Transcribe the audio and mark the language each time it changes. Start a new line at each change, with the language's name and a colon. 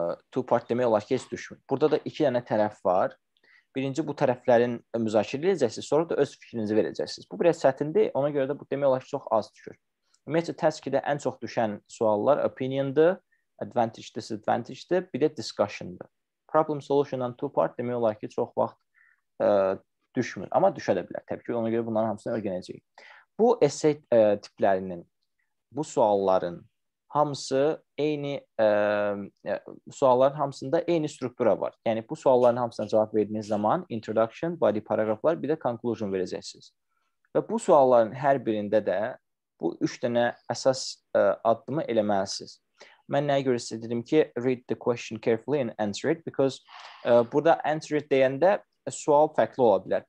Azerbaijani: Two-part demək olar ki, heç düşmür. Burada da iki dənə tərəf var. Birinci, bu tərəflərin müzakirə edəcəksiniz, sonra da öz fikrinizi verəcəksiniz. Bu, biraz çətindir, ona görə də bu demək olar ki, çox az düşür. Ümumiyyətcə, təskidə ən çox düşən suallar opinion-dır, advantage, disadvantage-dir, bir də discussion-dır. Problem solution-dan two-part demək olar ki, çox vaxt düşmür. Ama düşebilir. Tabii ki ona göre bunların hamısını öğrenecek. Bu essay tiplerinin, bu sualların hamısı eyni sualların hamısında eyni struktura var. Yani bu sualların hamısına cevap verdiğiniz zaman introduction, body paragraflar, bir de conclusion vereceksiniz. Ve bu sualların her birinde de bu üç tane esas addımı eləməlisiniz. Mən nəyə görə istedim ki,
English: read the question carefully and answer it.
Azerbaijani: Because burada
English: answer it
Azerbaijani: deyəndə sual fərqli ola bilər.